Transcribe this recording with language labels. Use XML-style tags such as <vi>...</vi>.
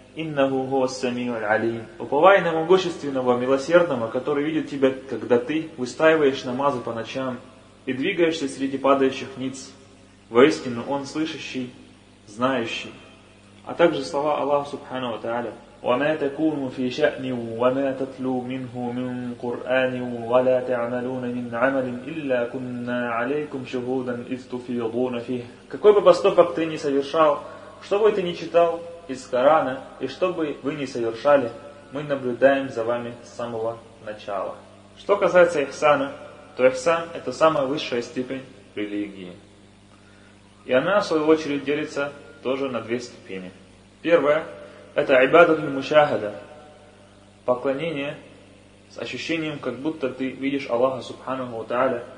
<ar>«Иннаху гуас самиуль алим».</ar> <ru>Уповай на могущественного, милосердного, который видит тебя, когда ты выстаиваешь намазы по ночам и двигаешься среди падающих ниц. Воистину, Он слышащий, знающий. А также слова Аллаха Субхану Та'аля.</ru> <ar>وما تكون في شأن وما تتلو منه من قرآن ولا تعملون من عمل إلا كنا عليكم شهودا إذ تفيضون فيه.</ar> <ru>Какой бы поступок ты ни совершал, что бы ты ни читал из Корана и что бы вы ни совершали, мы наблюдаем за вами с самого начала. Что касается ихсана, то ихсан – это самая высшая степень религии. И она, в свою очередь, делится тоже на две ступени. Первая – это ибадат аль-мушахада, поклонение с ощущением, как будто ты видишь Аллаха Субханаху ва Тааля.</ru>